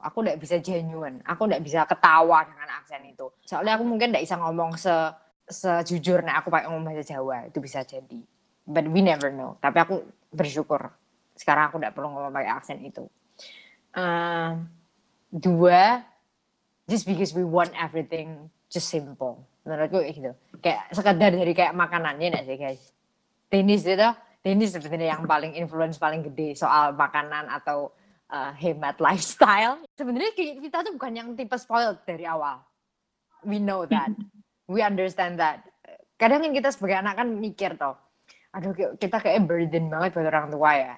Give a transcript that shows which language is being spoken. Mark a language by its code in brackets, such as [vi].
[id] Aku nggak bisa genuine, aku nggak bisa ketawa dengan aksen itu. Soalnya aku mungkin nggak bisa ngomong sejujur nih aku pakai ngomong bahasa Jawa, itu bisa jadi. [en] But we never know. [id] Tapi aku bersyukur sekarang aku gak perlu ngomong pakai aksen itu. [en] Dua, just because we want everything just simple. [id] Menurutku gitu. Kayak sekedar dari kayak makanannya gak sih guys. Dennis sebenarnya yang paling influence paling gede soal makanan atau hemat lifestyle. Sebenarnya kita tuh bukan yang tipe spoiled dari awal. [en] We know that. We understand that. [id] Kadang kan kita sebagai anak kan mikir toh, aduh, kita kayak burden banget buat orang tua ya.